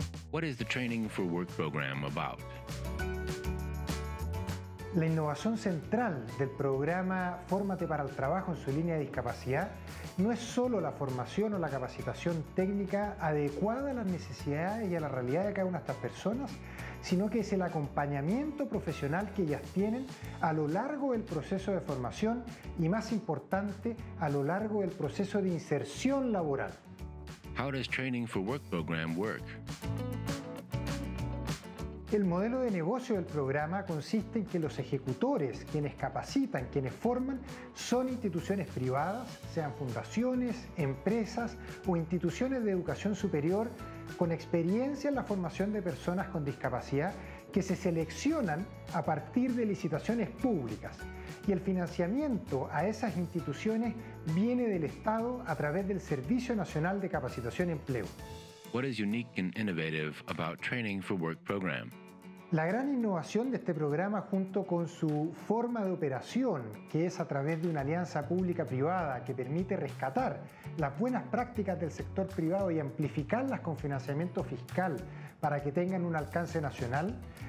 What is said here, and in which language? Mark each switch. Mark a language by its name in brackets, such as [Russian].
[English] What is the Training for Work program about? [Spanish] La innovación central del programa Fórmate para el Trabajo en su línea de discapacidad no es solo la formación o la capacitación técnica adecuada a las necesidades y a la realidad de cada una de estas personas, sino que es el acompañamiento profesional que ellas tienen a lo largo del proceso de formación y, más importante, a lo largo del proceso de inserción laboral. [English] How does Training for Work program work? [Spanish] El modelo de negocio del programa consiste en que los ejecutores, quienes capacitan, quienes forman, son instituciones privadas, sean fundaciones, empresas o instituciones de educación superior con experiencia en la formación de personas con discapacidad que se seleccionan a partir de licitaciones públicas. Y el financiamiento a esas instituciones viene del Estado a través del Servicio Nacional de Capacitación y Empleo. [English] What is unique and innovative about Training for Work program? [Spanish] La gran innovación de este programa, junto con su forma de operación, que es a través de una alianza pública-privada que permite rescatar las buenas prácticas del sector privado y amplificarlas con financiamiento fiscal para que tengan un alcance nacional,